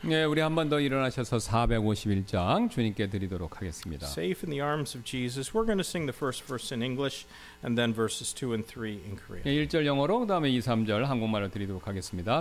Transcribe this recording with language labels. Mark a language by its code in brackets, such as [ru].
[ko] 네, 우리 한 번 더 일어나셔서 451장 주님께 드리도록 하겠습니다. [en] Safe in the arms of Jesus. We're going to sing the first verse in English and then verses 2 and 3 in Korean. [ko] 네, 1절 영어로 그다음에 2, 3절 한국말로 드리도록 하겠습니다.